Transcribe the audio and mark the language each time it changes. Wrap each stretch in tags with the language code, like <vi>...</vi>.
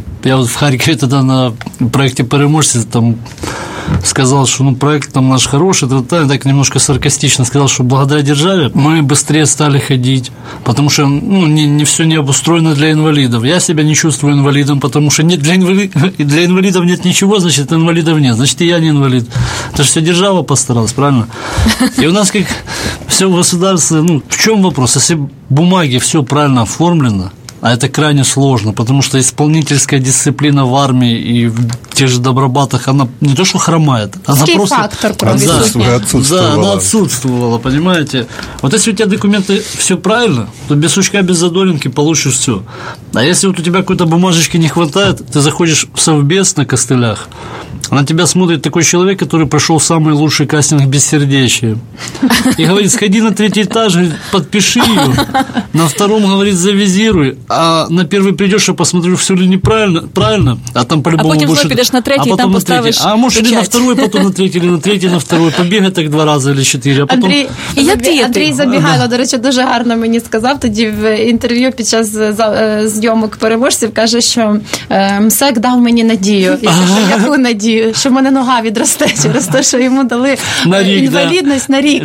<uk>Вот я в Харкові тоді на проєкті «Переможці» там сказав, що проєкт там наш хороший, так немножко саркастично сказав, що благодаря державі ми швидше стали ходити, тому що не все не обустроєно для інвалідів. Я себе не чувствую інвалідом, тому що для інвалідів нет нічого, значить інвалідів нет, значить і я не інвалід. Це ж все держава постаралась, правильно? І у нас як все в государстві, в чому вопрос? Якщо бумаги все правильно оформлено,</uk> <ru>а это крайне сложно, потому что исполнительская дисциплина в армии и в тех же добробатах, она не то что хромает, она просто... Она отсутствовала, понимаете? Вот если у тебя документы все правильно, то без сучка, без задоринки получишь все. А если вот у тебя какой-то бумажечки не хватает, ты заходишь в совбез на костылях, На тебя смотрит такой человек, который прошел самый лучший кастинг «Бессердечие». И говорит, сходи на третий этаж, подпиши ее. На втором, говорит, завизируй. А на первый придешь, я посмотрю, все ли неправильно. Правильно? А там по-любому будешь... А потом пойдешь на третий, а там на поставишь третий. А может, или на второй, потом на третий, или на третий, на второй.</ru> <uk>Побегай так два рази или чотири. А потом... Андрій, як дієти? Андрій Забігайло, до речі, дуже гарно мені сказав тоді в інтерв'ю під час зйомок «Переможців». Каже, що МСЕК дав мені надію. Яку надію? Що в мене нога відросте через те, що йому дали на рік, інвалідність</uk> <ru>да.</ru> <uk>На рік.</uk>